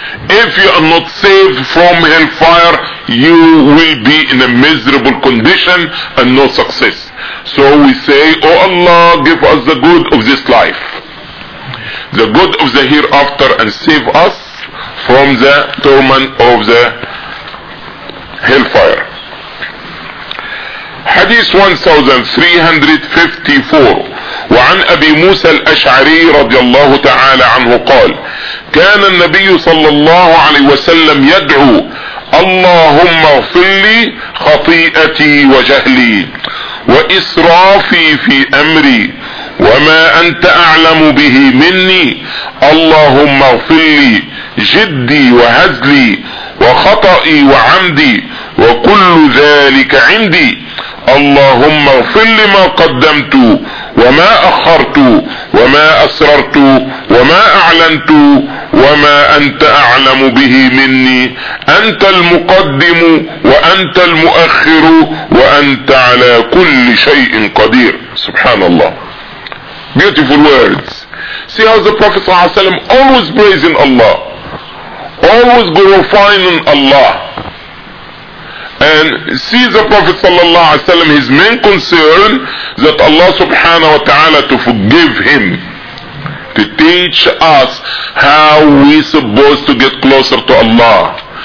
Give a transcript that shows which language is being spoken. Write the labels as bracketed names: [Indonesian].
[English] If you are not saved from hellfire, you will be in a miserable condition and no success. So we say, Oh Allah, give us the good of this life, the good of the hereafter, and save us from the torment of the hellfire. Hadith 1354. [Arabic] وعن أبي موسى الأشعري رضي الله تعالى عنه قال كان النبي صلى الله عليه وسلم يدعو اللهم اغفر لي خطيئتي وجهلي وإسرافي في أمري وما أنت أعلم به مني اللهم اغفر لي جدي وهزلي وخطئي وعمدي وكل ذلك عندي اللهم اغفر لما قدمت وما أخرت وما أسررت وما أعلنت وما أنت أعلم به مني أنت المقدم وأنت المؤخر وأنت على كل شيء قدير. سبحان الله. [English] Beautiful words. See how the Prophet [Arabic] صلى الله عليه وسلم [English] always praising Allah, always glorifying Allah. And see the Prophet sallallahu alaihi wasallam, his main concern that Allah subhanahu wa ta'ala to forgive him, to teach us how we supposed to get closer to Allah.